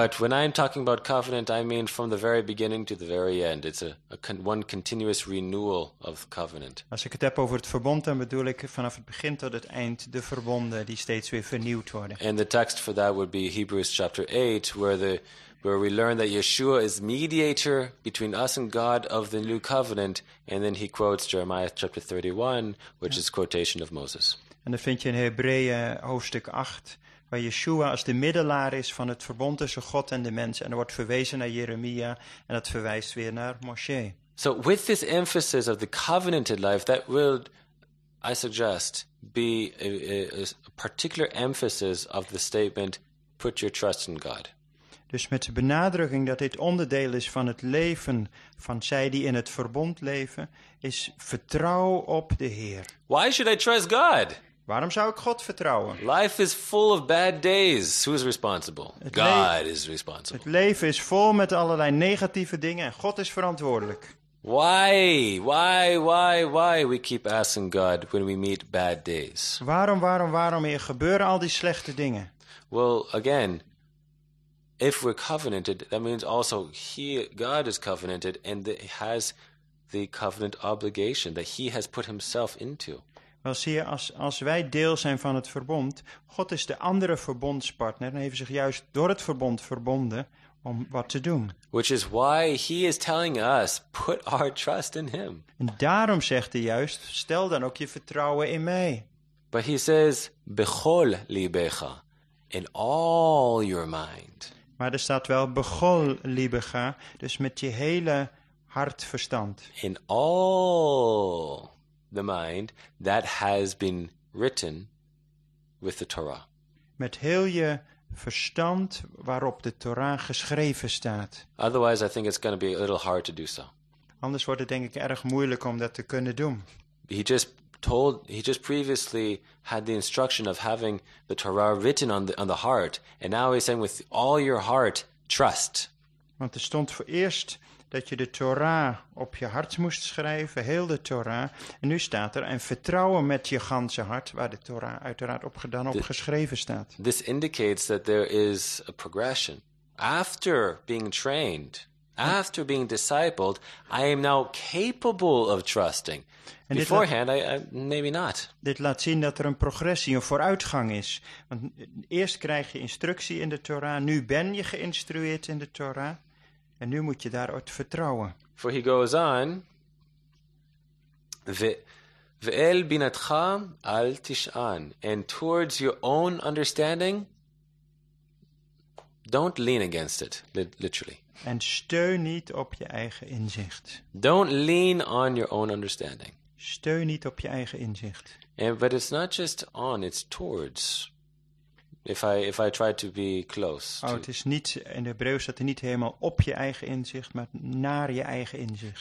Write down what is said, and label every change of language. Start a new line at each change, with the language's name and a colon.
English: But when I'm talking about covenant, I mean from the very beginning to the very end. It's one continuous renewal of covenant.
Dutch: Als ik het heb over het verbond, dan bedoel ik vanaf het begin tot het eind de verbonden die steeds weer vernieuwd worden.
English: And the text for that would be Hebrews chapter 8, where we learn that Yeshua is mediator between us and God of the new covenant, and then he quotes Jeremiah chapter 31, which is quotation of Moses.
Dutch: En dan vind je in Hebreeën hoofdstuk 8, waar Yeshua als de middelaar is van het verbond tussen God en de mens, en er wordt verwezen naar Jeremia, en dat verwijst weer naar Moshe.
English: So with this emphasis of the covenanted life, that will, I suggest, be a particular emphasis of the statement, put your trust in God.
Dutch: Dus met de benadrukking dat dit onderdeel is van het leven van zij die in het verbond leven, is vertrouw op de Heer.
English: Why should I trust God?
Dutch: Waarom zou ik God vertrouwen?
English: Life is full of bad days. Who is responsible? God is responsible.
Dutch: Het leven is vol met allerlei negatieve dingen en God is verantwoordelijk.
English: Why we keep asking God when we meet bad days?
Dutch: Waarom hier gebeuren al die slechte dingen?
English: Well, again, if we're covenanted, that means also God is covenanted and has the covenant obligation that he has put himself into.
Dutch: Wel zie je, als wij deel zijn van het verbond, God is de andere verbondspartner en heeft zich juist door het verbond verbonden om wat te doen.
English: Which is why he is telling us, put our trust in him.
Dutch: En daarom zegt hij juist, stel dan ook je vertrouwen in mij.
English: But he says,
Hebrew: bechol libecha,
English: in all your mind.
Dutch: Maar er staat wel
Hebrew: begol libecha,
Dutch: dus met je hele hart verstand.
English: In all the mind that has been written with the Torah.
Dutch: Met heel je verstand waarop de Torah geschreven staat.
English: Otherwise I think it's going to be a little hard to do so.
Dutch: Anders wordt het denk ik erg moeilijk om dat te kunnen doen.
English: He just previously had the instruction of having the Torah written on the heart, and now he's saying with all your heart trust.
Dutch: Want er stond voor eerst dat je de Torah op je hart moest schrijven, heel de Torah, en nu staat er en vertrouwen met je ganse hart, waar de Torah uiteraard opgeschreven staat.
English: This indicates that there is a progression. After being trained, after being discipled, I am now capable of trusting. En beforehand, I maybe not.
Dutch: Dit laat zien dat er een progressie, een vooruitgang is. Want eerst krijg je instructie in de Torah, nu ben je geïnstrueerd in de Torah. En nu moet je daar het vertrouwen.
English: For he goes on.
Hebrew: Ve'el binatcha al tish'an.
English: And towards your own understanding, don't lean against it, literally.
Dutch: En steun niet op je eigen inzicht.
English: Don't lean on your own understanding.
Dutch: Steun niet op je eigen inzicht.
English: But it's not just on, it's towards. If I try to be close.
Dutch: Het is niet, in de Hebreeuws staat er niet helemaal op je eigen inzicht, maar naar je eigen inzicht.